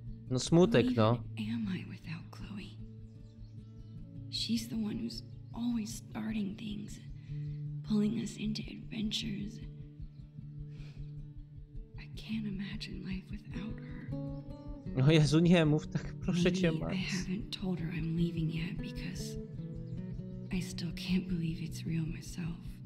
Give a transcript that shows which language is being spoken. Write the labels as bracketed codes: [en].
[pl] No smutek, no. [en] Am I without Chloe? She's the one who's always starting things. Pulling us into adventures. I can't imagine life without her. [pl] O Jezu, nie mów tak, proszę cię, Max. [en] I haven't told her I'm leaving yet because I still can't believe it's real myself.